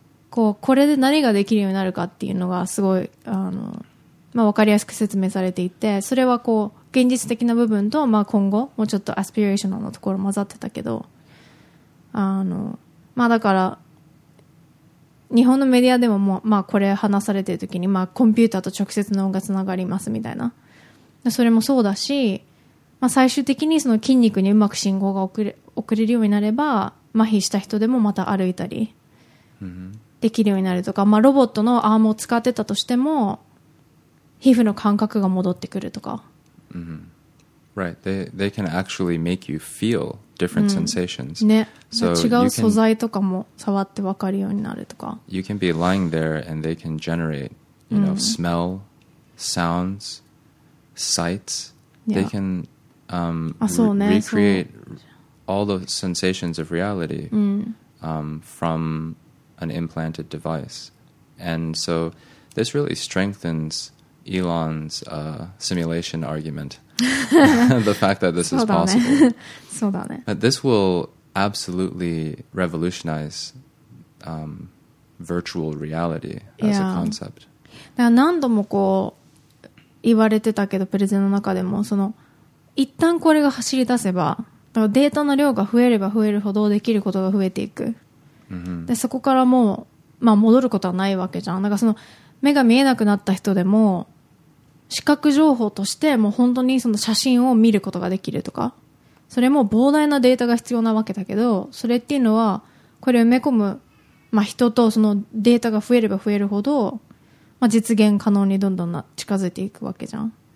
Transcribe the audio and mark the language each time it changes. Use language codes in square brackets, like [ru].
[ja] こう、これで何ができるようになるかっていうのがすごい、まあ、分かりやすく説明されていて、それはこう現実的な部分と、まあ、今後もうちょっとアスピレーショナルのところ混ざってたけど、まあだから日本のメディアでも、もう、まあ、これ話されてる時に、まあ、コンピューターと直接脳がつながりますみたいな、それもそうだし、まあ、最終的にその筋肉にうまく信号が送れるようになれば、麻痺した人でもまた歩いたりできるようになるとか、まあ、ロボットのアームを使ってたとしても皮膚の感覚が戻ってくるとか、 [en] mm-hmm. Right. They can actually make you feel different sensations、 [ja] うん、ね、so、違う素材とかも触って分かるようになるとか、 [en] You can be lying there and they can generate, you know,、 [ja] うん、 [en] smell, sounds, sights、yeah. They can、ね、 recreate all the sensations of reality、うん、 from an implanted device. And so this really strengthensElon's、simulation argument the fact that this is possible but this will absolutely revolutionize、virtual reality as、yeah. a concept [ja] だから何度もこう言われてたけどプレゼンの中でもその一旦これが走り出せばだからデータの量が増えれば増えるほどできることが増えていく、 mm-hmm. でそこからもう、まあ、戻ることはないわけじゃん。だからその目が見えなくなった人でも視覚情報としてもう本当にその写真を見ることができるとか、それも膨大なデータが必要なわけだけど、それっていうのはこれを埋め込む、まあ、人とそのデータが増えれば増えるほど、まあ、実現可能にどんどん近づいていくわけじゃん、